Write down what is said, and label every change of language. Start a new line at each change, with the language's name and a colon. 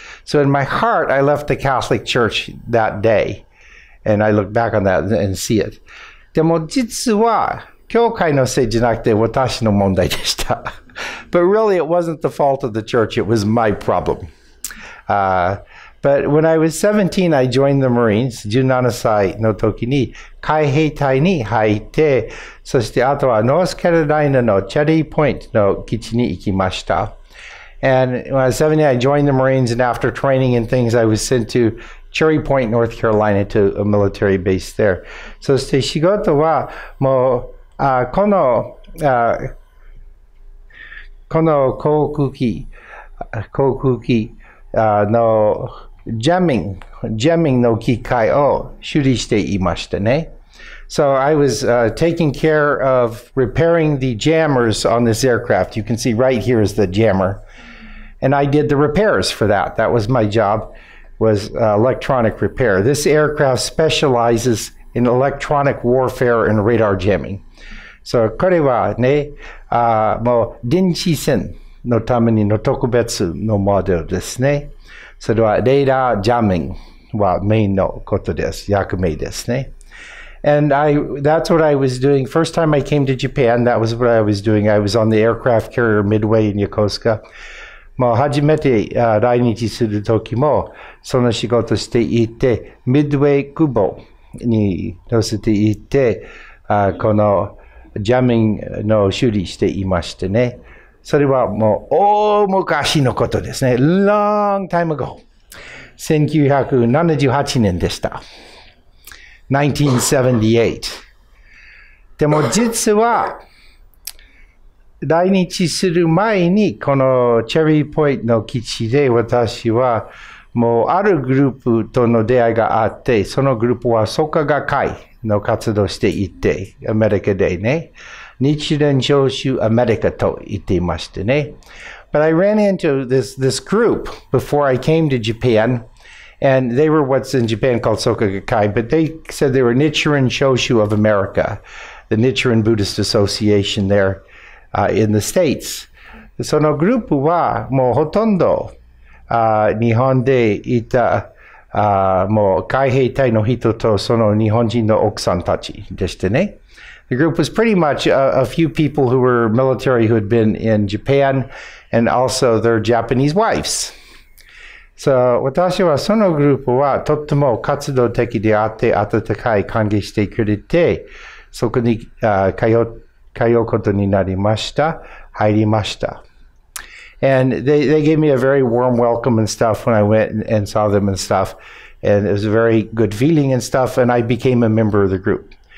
English: So, in my heart, I left the Catholic Church that day. And I look back on that and see it.
Japanese: でも実は、教会のせいじゃなくて私の問題でした。
English: But really, it wasn't the fault of the church, it was my problem. But when I was 17, I joined the Marines.
Japanese: 17 歳の時に海兵隊に入って、そしてあとはノースカロライナのチェリーポイントの基地に行きました。
English: And when I was 17, I joined the Marines, and after training and things, I was sent to Cherry Point, North Carolina, to a military base there.
Japanese: そして仕事はもう、この、この航空機、のジャミングの機械を修理していましたね。
English: So I was taking care of repairing the jammers on this aircraft. You can see right here is the jammer. And I did the repairs for that. That was my job, was electronic repair. This aircraft specializes in electronic warfare and radar jamming.
Japanese: So これはね、もう電子戦のためにの特別のモデルですね。それはレーダージャミングはメインのことです。役目ですね。
English: And that's what I was doing. First time I came to Japan, that was what I was doing. I was on the aircraft carrier Midway in Yokosuka.
Japanese: もう初めて来日するときも、その仕事していて、Midway Kubo に乗せていて、このジャミングの修理していましてね。それはもう大昔のことですね。
English: Long time ago.
Japanese: 1978年でした。 1978。でも実は、来日する前に、このチェリーポイントの基地で私は、もうあるグループとの出会いがあって、そのグループは創価学会の活動していて、アメリカでね。日蓮召集アメリカと言っていましてね。
English: But I ran into this group before I came to Japan, and they were what's in Japan called Soka Gakkai, but they said they were Nichiren Shoshu of America, the Nichiren Buddhist Association there in the States.
Japanese: そのグループはもうほとんど日本でいたもう海兵隊の人とその日本人の奥さんたちでしてね。
English: The group was pretty much a few people who were military who had been in Japan and also their Japanese wives.
Japanese: So, 私はそのグループはとっても活動的であって温かい歓迎してくれてそこに通うことになりました。入りました。
English: And they gave me a very warm welcome and stuff when I went and saw them and stuff. And it was a very good feeling and stuff and I became a member of the group.